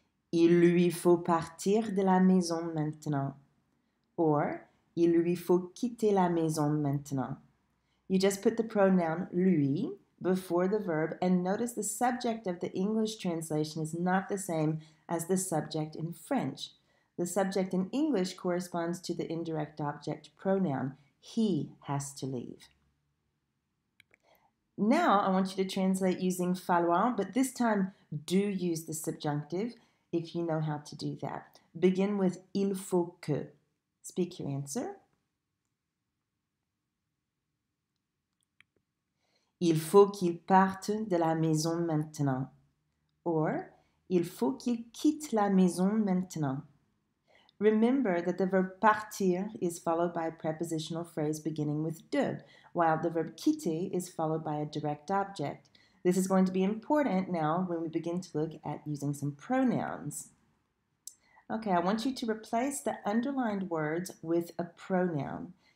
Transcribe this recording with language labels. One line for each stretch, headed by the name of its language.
French: Il lui faut partir de la maison maintenant. Or, il lui faut quitter la maison maintenant.
English: You just put the pronoun lui before the verb and notice the subject of the English translation is not the same as the subject in French. The subject in English corresponds to the indirect object pronoun. He has to leave. Now, I want you to translate using falloir, but this time do use the subjunctive. If you know how to do that, begin with
French: il faut que.
English: Speak your answer.
French: Il faut qu'il parte de la maison maintenant. Or, il faut qu'il quitte la maison maintenant.
English: Remember that the verb partir is followed by a prepositional phrase beginning with de, while the verb quitter is followed by a direct object. This is going to be important now when we begin to look at using some pronouns. Okay, I want you to replace the underlined words with a pronoun.